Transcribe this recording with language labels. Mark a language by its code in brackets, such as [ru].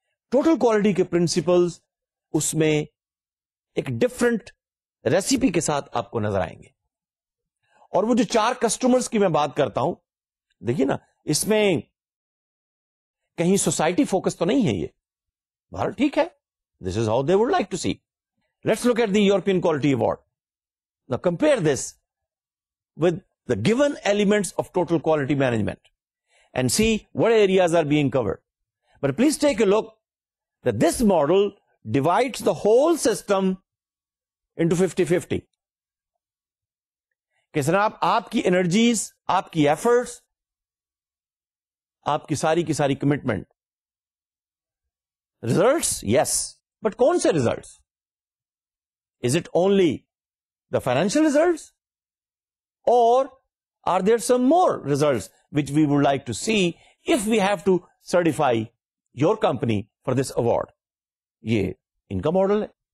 [ur] Total quality کے principles اس میں ایک ڈفرنٹ ریسیپی کے ساتھ آپ کو نظر آئیں گے. اور وہ جو چار کسٹمرز کی میں بات کرتا ہوں, دیکھیے نا اس میں کہیں سوسائٹی فوکس تو نہیں ہے یہ, بہر ٹھیک ہے, [en] This is how they would like to see. Let's look at the European quality award. نا compare this with the given elements of total quality management and see what areas are being covered. But please take a look the this model divides the whole system into 50-50. [ur] کس طرح آپ کی energies, آپ کی efforts, آپ کی ساری commitment, [en] Results yes, but کون سے results? Is it only the financial results اور are there some more results which we would like to see if we have to certify your company for this award? [ur] یہ ان کا model ہے.